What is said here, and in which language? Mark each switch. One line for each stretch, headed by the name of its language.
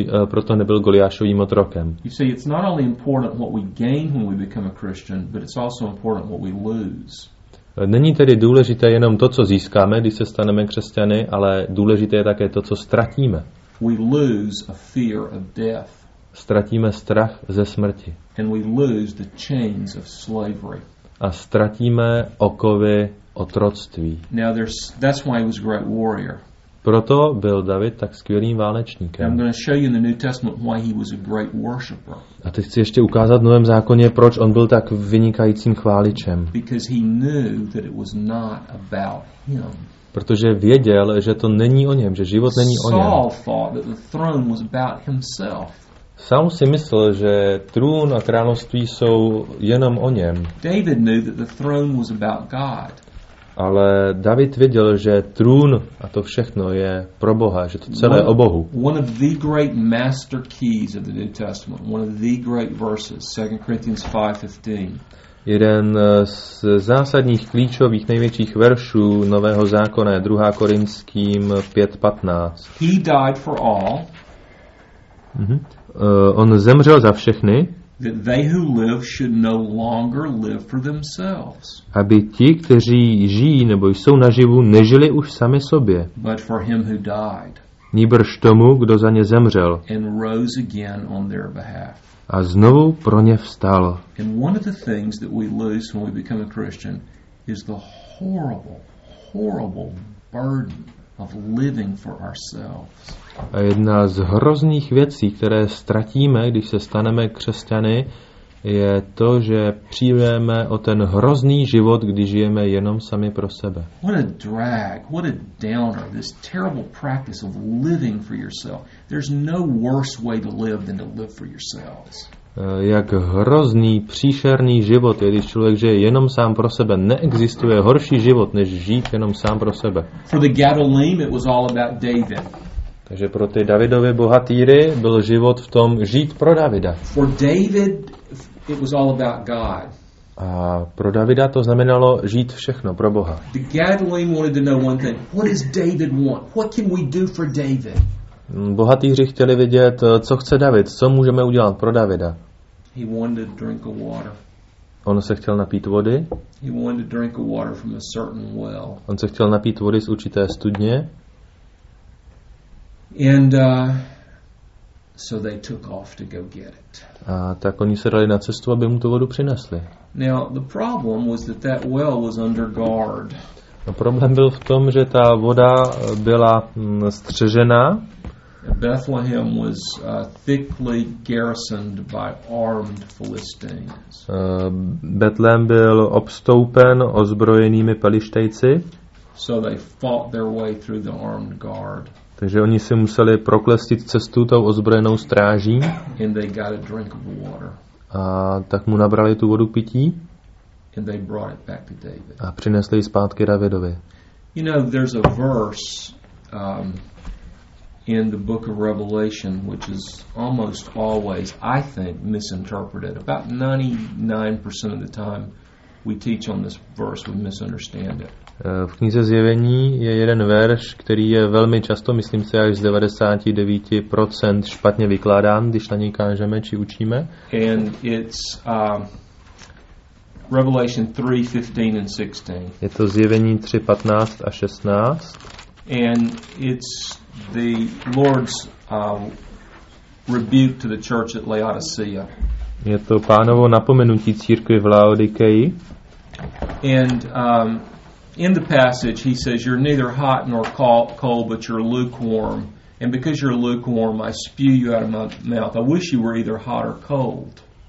Czech: Proto nebyl Goliášovým otrokem.
English: You see, it's not only important what we gain when we become a Christian, but it's also important what we lose.
Czech: Není tedy důležité jenom to, co získáme, když se staneme křesťany, ale důležité je také to, co ztratíme.
English: We lose a fear of death.
Czech: Ztratíme strach ze smrti.
English: And we lose the chains of slavery.
Czech: A ztratíme okovy otroctví.
English: Now that's why he was a great warrior.
Czech: Proto byl David tak skvělým válečníkem.
English: I'm going to show you in the New Testament why he was a great worshipper.
Czech: A teď chci ještě ukázat v Novém zákoně, proč on byl tak vynikajícím chváličem.
English: Because he knew that it was not about him.
Czech: Protože věděl, že to není o něm, že život není o něm.
English: Saul thought that the throne was about himself.
Czech: Saul si myslel, že trůn a království jsou jenom o něm.
English: David knew that the throne was about God.
Czech: Ale David věděl, že trůn a to všechno je pro Boha, že to celé o Bohu.
English: One of the great master keys of the New Testament, one of the great verses, 2 Corinthians 5:15.
Czech: Jeden z zásadních klíčových největších veršů Nového zákona je 2 Korintským 5:15.
English: He died for all.
Czech: On zemřel za všechny.
English: That they who live should no longer live for themselves.
Czech: Aby ti, kteří žijí nebo jsou naživu, nežili už sami sobě.
English: But for him who died.
Czech: Nýbrž tomu, kdo za ně zemřel.
English: And rose again on their behalf.
Czech: A znovu pro ně vstal.
English: And one of the things that we lose when we become a Christian is the horrible, horrible burden of living for ourselves.
Czech: A jedna z hrozných věcí, které ztratíme, když se staneme křesťany, je to, že přijdeme o ten hrozný život, když žijeme jenom sami pro sebe.
English: What a drag, what a downer, this terrible practice of living for yourself. There's no worse way to live than to live for yourselves.
Czech: Jak hrozný, příšerný život je, když člověk žije jenom sám pro sebe. Neexistuje horší život, než žít jenom sám pro sebe.
English: For the Galilean, it was all about David.
Czech: Takže pro ty Davidovy bohatýry byl život v tom žít pro Davida.
English: For David, it was all about God.
Czech: A pro Davida to znamenalo žít všechno pro Boha.
English: The Galilean wanted to know one thing. What does David want? What can we do for David?
Czech: Bohatýři chtěli vidět, co chce David, co můžeme udělat pro Davida.
English: He wanted a drink of water.
Czech: On se chtěl napít vody.
English: He wanted a drink of water from a certain well.
Czech: On se chtěl napít vody z určité studně.
English: And so they took off to go get it.
Czech: A tak oni se dali na cestu, aby mu tu vodu přinesli.
English: Now the problem was that that well was under guard.
Czech: No, problém byl v tom, že ta voda byla střežena.
English: Bethlehem was thickly garrisoned by armed Philistines.
Czech: Betlém byl obstoupen ozbrojenými Pelištejci.
English: So they fought their way through the armed guard.
Czech: Takže oni si museli proklestit cestu tou ozbrojenou stráží.
English: And they got a drink of water.
Czech: A tak mu nabrali tu vodu k pití.
English: And they brought it back to David.
Czech: A přinesli ji zpátky Davidovi.
English: You know, there's a verse in the book of Revelation, which is almost always, I think, misinterpreted. About 99% of the time we teach on this verse, we misunderstand it.
Czech: V knize Zjevení je jeden verš, který je velmi často, myslím si, až z 99% špatně vykládán, když na něj kážeme či učíme.
English: And it's Revelation 3:15 and 16.
Czech: Je to Zjevení 3:15 a 16.
English: And it's the Lord's rebuke to the church at Laodicea.
Czech: Je to Pánovo napomenutí církvi v Laodikeji.
English: And in the passage he says, you're neither hot nor cold, but you're lukewarm. And because you're lukewarm, I spew you out of my mouth. I wish you were either hot or cold.